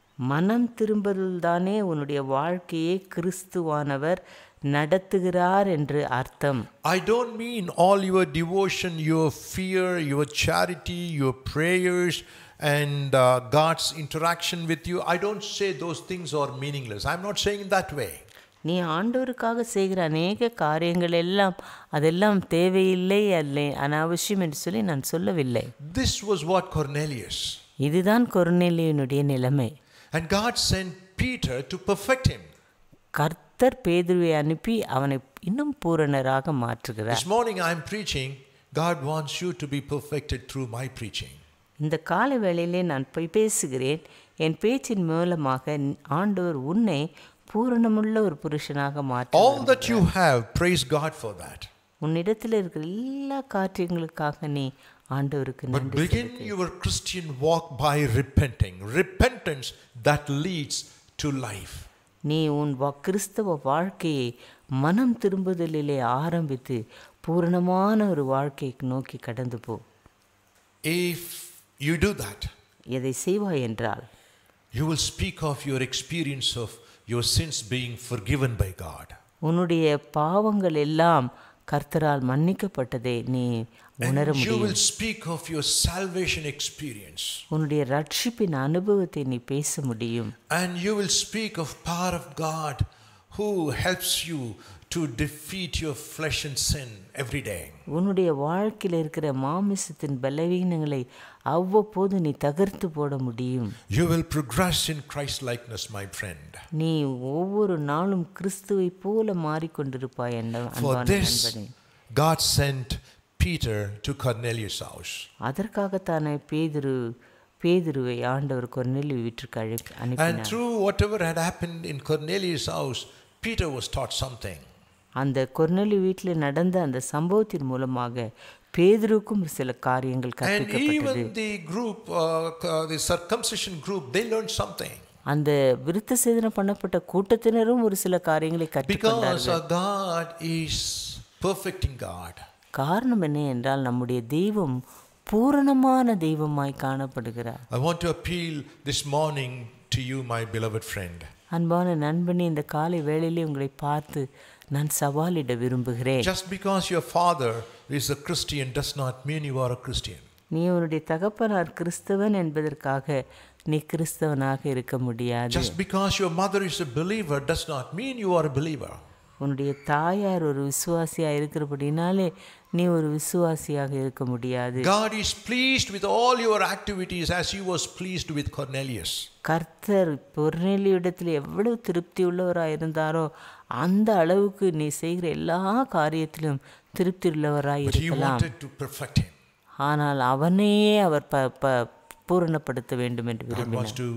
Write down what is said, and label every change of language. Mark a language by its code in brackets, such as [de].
[ta] மனம் திரும்புதல் தானே உன்னுடைய வாழ்க்கையை கிறிஸ்துவானவர் நடத்துகிறார் என்று அர்த்தம். [en] I don't mean all your devotion, your fear, your charity, your prayers and God's interaction with you. I don't say those things are meaningless. I'm not saying in that way. [ta] நீ ஆண்டவருக்காக செய்கிற அநேக காரியங்கள் எல்லாம் அதெல்லாம் தேவையில்லை அல்லே அனாவசியம் என்று சொல்லி நான் சொல்லவில்லை. [en] This was what Cornelius. [ta] இதுதான் கொர்நேலியுனுடைய நிலைமை. [en] And God sent Peter to perfect him. [ta] கர்த்தர் பேதுருவை அனுப்பி அவனை இன்னும் பூரணராக மாற்றுகிறார். [en] This morning I am preaching. God wants you to be perfected through my preaching. [ta] இந்த காலை வேளையிலே நான் போய் பேசுகிறேன். என் பேச்சின் மூலமாக ஆண்டவர் உன்னை பூரணமுள்ள ஒரு புருஷனாக மாற்றுவார். [en] All that you have, praise God for that. [ta] உன்னிடத்தில் இருக்கிற எல்லா காரியங்களுக்காக நீ ஆண்டவருக்கு நன்றி செலுத்து. [en] But begin your Christian walk by repenting. Repentance that leads to life. [ta] நீ உன் கிறிஸ்தவ வாழ்க்கையை மனம் திரும்புதலிலே ஆரம்பித்து பூரணமான ஒரு வாழ்க்கைக்கு நோக்கி கடந்து போ. [en] If you do that, [ta] எதை செய்வாய் என்றால், [en] you will speak of your experience of your sins being forgiven by God. [ta] உன்னுடைய பாவங்கள் எல்லாம் கர்த்தரால் மன்னிக்கப்பட்டதே நீ உணர முடியும். [en] You will speak of your salvation experience. [ta] உன்னுடைய இரட்சிப்பின் அனுபவத்தை நீ பேச முடியும். [en] And you will speak of power of God who helps you to defeat your flesh and sin every day. [ta] உன்னுடைய வாழ்க்கையில் இருக்கிற மாமிசத்தின் பலவீனங்களை அவ்வப்போது நீ தகர்த்து போட முடியும். [en] You will progress in Christ likeness, my friend. [ta] நீ ஒவ்வொரு நாளும் கிறிஸ்துவை போல மாறிக்கொண்டிருப்பாய் என்றான். [en] For this, God sent Peter to Cornelius' house. [ta] அதற்காகத்தானே பேதுருவை ஆண்டவர் கொர்நேலியு வீட்டிற்கு அனுப்பினார். [en] And through whatever had happened in Cornelius' house, Peter was taught something. [ta] அந்த கொர்நேலியு வீட்டில் நடந்த அந்த சம்பவத்தின் மூலமாக பேதுருக்கும் சில காரியங்கள் கற்பிக்கப்பட்டது. [en] And even the group, the circumcision group, they learned something. [ta] அந்த விருத்த சேதனம் பண்ணப்பட்ட கூட்டத்தினரும் ஒரு சில காரியங்களை கற்றுக்கொண்டார்கள். [en] Because God is perfecting God. [ta] காரணம் என்ன என்றால் நம்முடைய தெய்வம் பூரணமான தெய்வமாய் காணப்படுகிறார். [en] I want to appeal this morning to you, my beloved friend. [ta] அன்பான நண்பனே, இந்த காலை வேளையிலே உங்களை பார்த்து நான் சவாலிட விரும்புகிறேன். [en] Just because your father is a Christian does not mean you are a Christian. [ta] நீ உன்னுடைய தகப்பனார் கிறிஸ்தவன் என்பதற்காக நீ கிறிஸ்தவனாக இருக்க முடியாது. [en] Just because your mother is a believer does not mean you are a believer. [ta] உன்னுடைய தாயார் ஒரு விசுவாசியாக இருக்கிறபடினாலே நீ ஒரு விசுவாசியாக இருக்க முடியாது. [en] God is pleased with all your activities as he was pleased with Cornelius. [ta] கர்த்தர் கொர்நேலியுவிடத்தில் எவ்வளவு திருப்தி உள்ளவராக இருந்தாரோ அந்த அளவுக்கு நீ செய்கிற எல்லா காரியத்திலும் திருப்தி உள்ளவராக இருக்கலாம். ஆனால் அவனையே அவர் பூரணப்படுத்த வேண்டும் என்று விரும்பினார்.